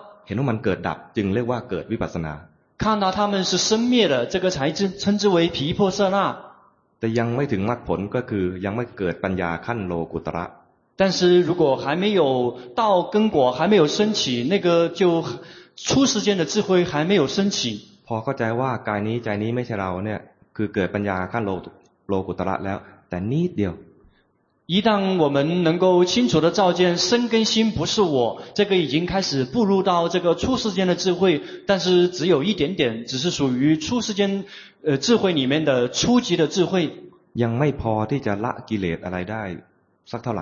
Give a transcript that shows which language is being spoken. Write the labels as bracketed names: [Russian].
[Thai] เห็นว่ามันเกิดดับจึงเรียกว่าเกิดวิปัสสนา [Chinese] 看到他们是生灭的这个才称之为毗婆舍那 [Thai] แต่ยังไม่ถึงมรรคผลก็คือยังไม่เกิดปัญญาขั้นโลกุตระ [Chinese] 但是如果还没有到根果还没有升起那个就初世间的智慧还没有升起 [Thai] พอเข้าใจว่ากายนี้ใจนี้ไม่ใช่เราเนี่ยคือเกิดปัญญาขั้นโลกุตระแล้วแต่นิดเดียว [Chinese] 一旦我们能够清楚的照见身跟心不是我这个已经开始步入到这个初世间的智慧但是只有一点点只是属于初世间智慧里面的初级的智慧 [Thai] ยังไม่พอที่จะละกิเลสอะไรได้สักเท่าไหร